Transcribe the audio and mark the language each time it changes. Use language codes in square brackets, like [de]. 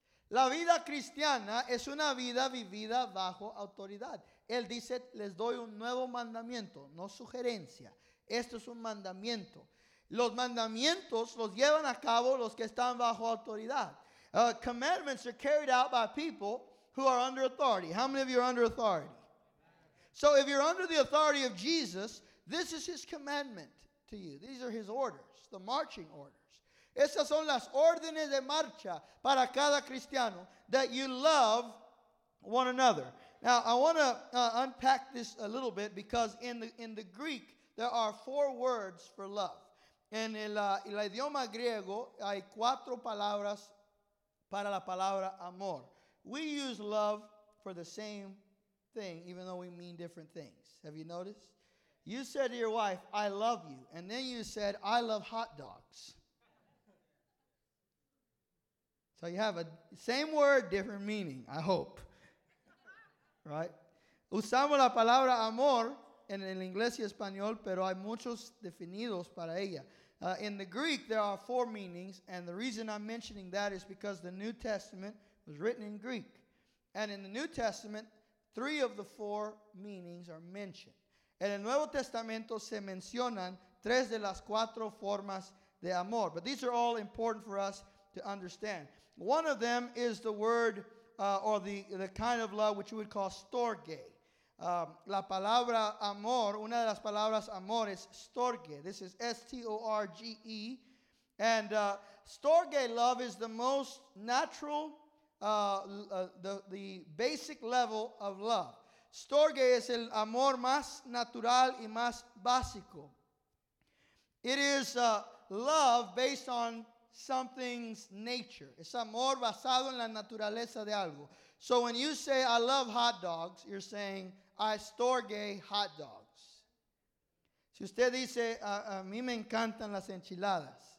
[es] La vida cristiana es una vida vivida bajo autoridad. Él dice, les doy un nuevo mandamiento, no sugerencia. Esto es un mandamiento. Los mandamientos los llevan a cabo los que están bajo autoridad. [en] Commandments are carried out by people who are under authority. How many of you are under authority? So if you're under the authority of Jesus, this is his commandment to you. These are his orders, the marching orders. [es] Esas son las órdenes de marcha para cada cristiano, [en] that you love one another. Now, I want to unpack this a little bit, because in the Greek, there are four words for love. [es] En el idioma griego hay cuatro palabras para la palabra amor. [en] We use love for the same thing, even though we mean different things. Have you noticed? You said to your wife, I love you. And then you said, I love hot dogs. So you have a same word, different meaning, I hope. Right? [es] Usamos la palabra amor en el inglés y español, pero hay muchos definidos para ella. [en] In the Greek, there are four meanings, and the reason I'm mentioning that is because the New Testament was written in Greek. And in the New Testament, three of the four meanings are mentioned. [es] En el Nuevo Testamento se mencionan tres de las cuatro formas de amor. [en] But these are all important for us to understand. One of them is the word, or the kind of love which you would call storge. [es] La palabra amor, una de las palabras amor es storge. [en] This is S-T-O-R-G-E. And storge love is the most natural, the basic level of love. [es] Storge es el amor más natural y más básico. [en] It is love based on something's nature. [es] Es amor basado en la naturaleza de algo. [en] So when you say, I love hot dogs, you're saying, I storge hot dogs. [es] Si usted dice, a mí me encantan las enchiladas.